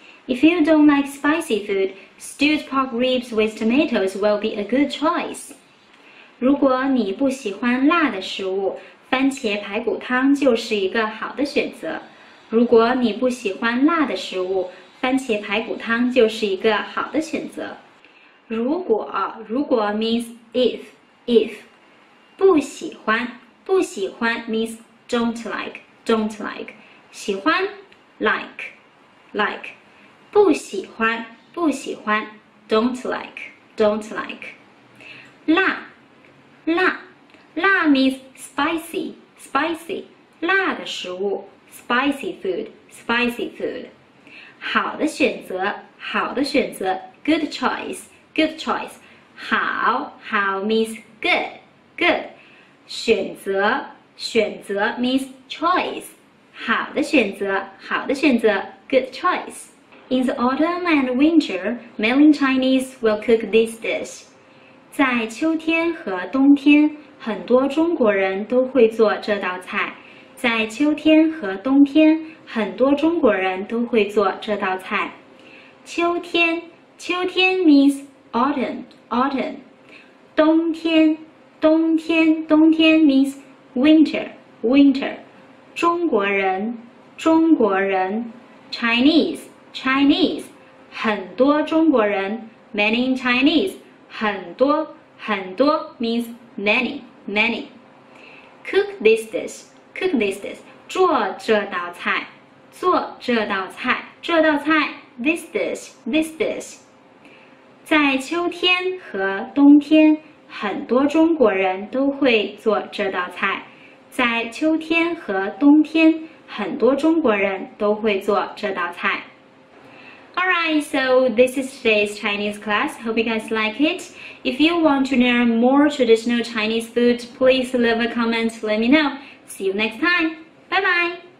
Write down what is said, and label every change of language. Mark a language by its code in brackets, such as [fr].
[en] If you don't like spicy food, stewed pork ribs with tomatoes will be a good choice. [zh] 如果你不喜欢辣的食物，番茄排骨汤就是一个好的选择。如果你不喜欢辣的食物，番茄排骨汤就是一个好的选择。如果，如果 [en] means if, if. [zh] 不喜欢，不喜欢 [en] means don't like, don't like. [zh] 喜欢 [en] like, like. [zh] 不喜欢，不喜欢 [en] don't like, don't like. [zh] 辣，辣。辣 [en] means spicy, spicy, [zh] 辣的食物 [en] spicy food, spicy food. [zh] 好的选择，好的选择 [en] good choice, good choice. [zh] 好，好 [en] means good, good. [zh] 选择，选择 [en] means choice. [zh] 好的选择，好的选择 [en] good choice. In the autumn and winter, mainland Chinese will cook this dish. [zh] 在秋天和冬天很多中国人都会做这道菜，在秋天和冬天，很多中国人都会做这道菜。秋天，秋天 [en] means autumn, autumn. [zh] 冬天，冬天，冬天 [en] means winter, winter. [zh] 中国人，中国人 [en] ，Chinese, Chinese. [zh] 很多中国人 [en] ，many Chinese. [zh] 很多，很多 [en] means many, many. Cook this dish, cook this dish. [zh] 做这道菜，做这道菜，这道菜。 [en] This dish, this dish. [zh] 在秋天和冬天，很多中国人都会做这道菜。在秋天和冬天，很多中国人都会做这道菜。 [en] Alright, so this is today's Chinese class. Hope you guys like it. If you want to learn more traditional Chinese food, please leave a comment. Let me know. See you next time. Bye bye.